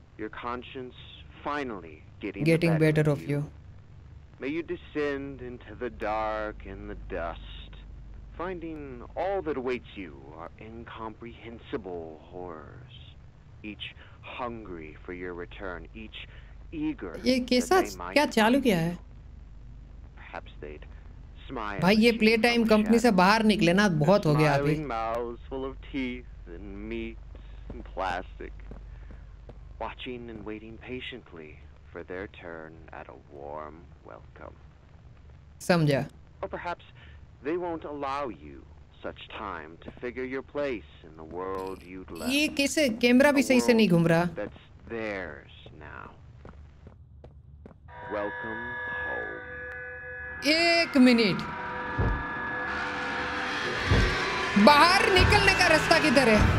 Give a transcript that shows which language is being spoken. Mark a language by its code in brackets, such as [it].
[en] your conscience finally getting better of you, may you descend into the dark and the dust, finding all that awaits you are incomprehensible horrors, each hungry for your return, each eager perhaps they'd smile. [hi] भाई ये play time company से बाहर निकले ना, बहुत हो गया अभी. [en] Mouths full of teeth and meat and plastic, watching and waiting patiently for their turn at a warm welcome. [hi] समझा. [en] Or perhaps they won't allow you such time to figure your place in the world you'd left. [hi] ये कैसे camera भी सही से नहीं घूम रहा. [en] That's theirs now. Welcome home. [hi] एक मिनट, बाहर निकलने का रास्ता किधर है?